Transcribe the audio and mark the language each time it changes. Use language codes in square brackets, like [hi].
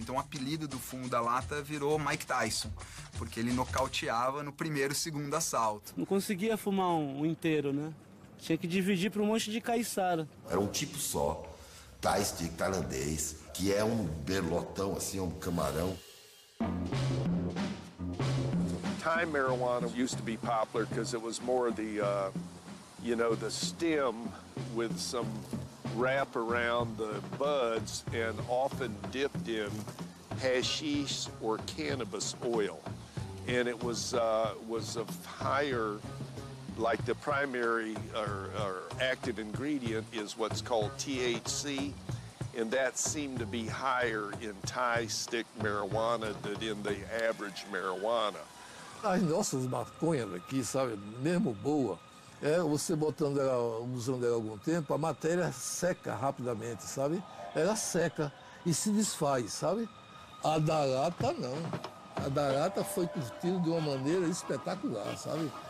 [pt] Então o apelido do fumo da lata virou Mike Tyson, porque ele nocauteava no primeiro e segundo assalto. Não conseguia fumar um inteiro, né? Tinha que dividir para um monte de caiçara. Era um tipo só, Thai Stick tailandês, que é um berlotão, assim, um camarão. [en] Thai marijuana used to be popular because it was more the you know, the stem with some wrap around the buds and often dipped in hashish or cannabis oil. And it was of higher, like the primary or active ingredient is what's called THC, and that seemed to be higher in Thai stick marijuana than in the average marijuana. [pt] As nossas maconhas aqui, sabe, mesmo boa, é, você botando ela, usando ela algum tempo, a matéria seca rapidamente, sabe? Ela seca e se desfaz, sabe? A da lata, não. A da lata foi curtida de uma maneira espetacular, sabe?